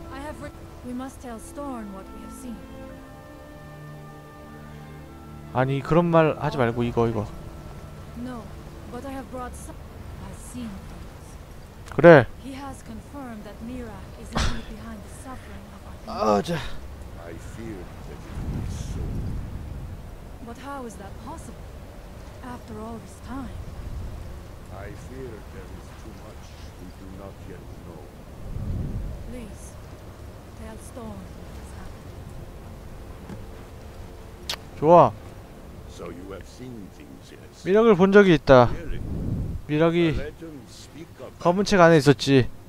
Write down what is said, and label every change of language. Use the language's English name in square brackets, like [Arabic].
[English] I have re- We must tell Storm what we have seen. [Korean] 아니, 그런 말 하지 말고 이거. [English] No, but I have brought some. I've seen things. 그래. He has confirmed that Mira is indeed behind the suffering of our people. 아자. I fear that it will be so. But how is that possible? After all this time. I fear there is too much we do not yet know. Please tell Storm what has happened. [Korean] 좋아. [English] So you have seen things, yes. [Korean] 미락을 본 적이 있다. 미락이 검은 책 안에 있었지.